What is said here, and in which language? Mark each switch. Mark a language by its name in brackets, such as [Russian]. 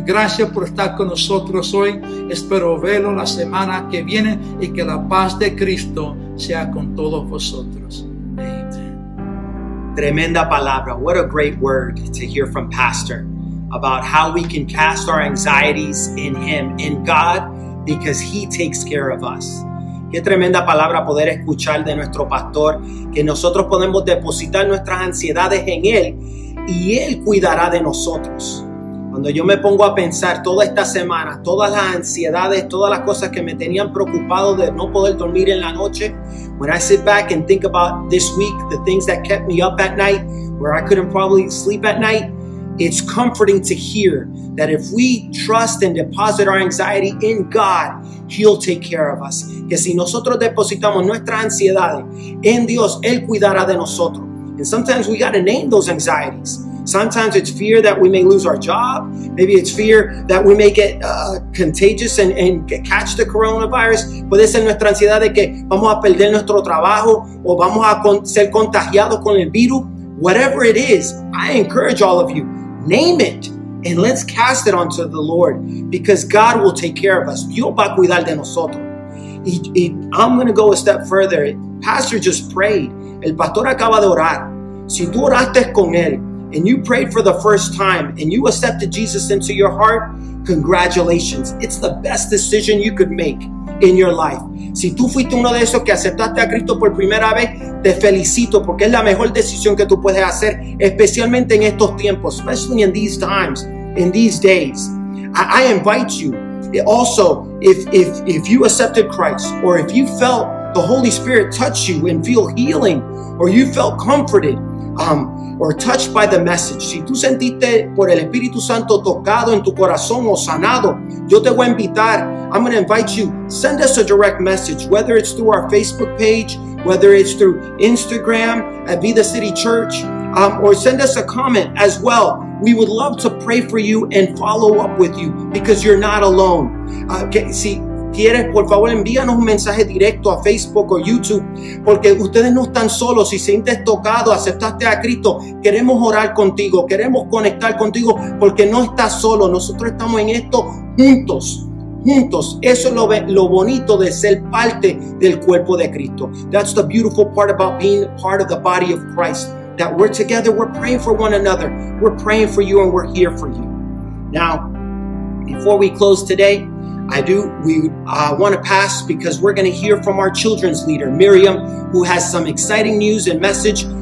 [Spanish] Gracias por estar con nosotros hoy. Espero verlo la semana que viene y que la paz de Cristo sea con todos vosotros. Amen. Tremenda palabra. [English] What a great word to hear from Pastor. About how we can cast our anxieties in Him, in God, because He takes care of us. [Spanish] Qué tremenda palabra poder escuchar de nuestro pastor, que nosotros podemos depositar nuestras ansiedades en Él y Él cuidará de nosotros. Cuando yo me pongo a pensar toda esta semana, todas las ansiedades, todas las cosas que me tenían preocupado de no poder dormir en la noche, [English] when I sit back and think about this week, the things that kept me up at night, where I couldn't probably sleep at night, it's comforting to hear that if we trust and deposit our anxiety in God, He'll take care of us. [Spanish] Que si nosotros depositamos nuestras ansiedades en Dios, Él cuidará de nosotros. [English] And sometimes we got to name those anxieties. Sometimes it's fear that we may lose our job. Maybe it's fear that we may get contagious and catch the coronavirus. [Spanish] Puede ser nuestra ansiedad de que vamos a perder nuestro trabajo o vamos a ser contagiados con el virus. [English] Whatever it is, I encourage all of you, name it and let's cast it onto the Lord because God will take care of us. [Spanish] Dios va a cuidar de nosotros. [English] I'm going to go a step further. Pastor just prayed. [Spanish] El pastor acaba de orar. Si tú oraste con él [English] and you prayed for the first time and you accepted Jesus into your heart, congratulations. It's the best decision you could make in your life. [Spanish] Si tú fuiste uno de esos que aceptaste a Cristo por primera vez, te felicito porque es la mejor decisión que tú puedes hacer, especialmente en estos tiempos, [English] especially in these times, in these days. I invite you, also, if you accepted Christ, or if you felt the Holy Spirit touch you and feel healing, or you felt comforted, or touched by the message. [Spanish] Si tú sentiste por el Espíritu Santo tocado en tu corazón o sanado, yo te voy a invitar. [English] I'm going to invite you. Send us a direct message, whether it's through our Facebook page, whether it's through Instagram at Vida City Church, or send us a comment as well. We would love to pray for you and follow up with you because you're not alone. [Spanish] Si quieres, por favor, envíanos un mensaje directo a Facebook o YouTube, porque ustedes no están solos. Si sientes tocado, aceptaste a Cristo, queremos orar contigo, queremos conectar contigo, porque no estás solo. Nosotros estamos en esto juntos, juntos. Eso es lo bonito de ser parte del cuerpo de Cristo. [English] That's the beautiful part about being part of the body of Christ, that we're together, we're praying for one another. We're praying for you and we're here for you. Now, before we close today, I want to pass because we're going to hear from our children's leader, Miriam, who has some exciting news and message